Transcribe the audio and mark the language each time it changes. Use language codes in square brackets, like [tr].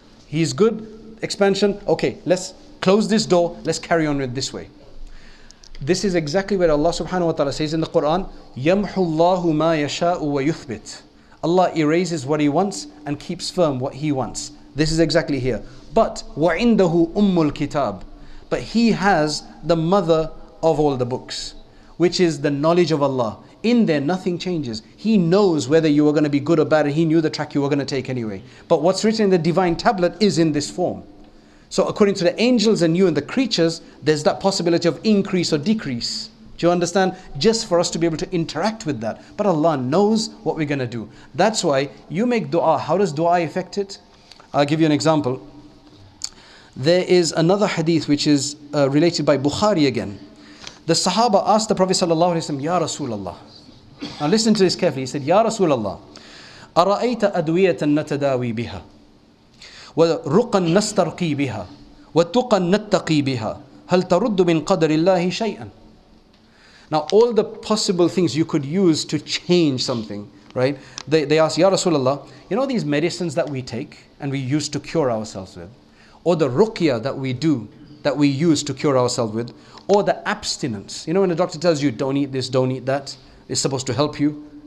[en] He's good, expansion. Okay, let's close this door. Let's carry on with this way. This is exactly where Allah subhanahu wa ta'ala says in the Quran, [ar] يَمْحُ اللَّهُ مَا يَشَاءُ وَيُثْبِتُ. [en] Allah erases what he wants and keeps firm what he wants. This is exactly here. But [ar] وَعِنْدَهُ أُمُّ الْكِتَابِ. [en] But he has the mother of all the books, which is the knowledge of Allah. In there, nothing changes. He knows whether you are going to be good or bad, and he knew the track you were going to take anyway. But what's written in the divine tablet is in this form. So according to the angels and you and the creatures, there's that possibility of increase or decrease. Do you understand? Just for us to be able to interact with that. But Allah knows what we're going to do. That's why you make dua. How does dua affect it? I'll give you an example. There is another hadith which is related by Bukhari again. The Sahaba asked the Prophet sallallahu alaihi wasallam, Ya Rasulullah. Now listen to this carefully. He said, [ar] Ya Rasulullah, أَرَأَيْتَ أَدْوِيَةً نَتَدَاوِي بِهَا وَرُقًا نَسْتَرْقِي بِهَا وَتُقًا نَتَّقِي بِهَا هَلْ تَرُدُّ مِنْ قَدْرِ اللَّهِ شَيْئًا. [en] Now all the possible things you could use to change something, right? They ask, Ya Rasulullah, you know these medicines that we take and we use to cure ourselves with, or the ruqya that we do, that we use to cure ourselves with, or the abstinence. You know when the doctor tells you, don't eat this, don't eat that, it's supposed to help you.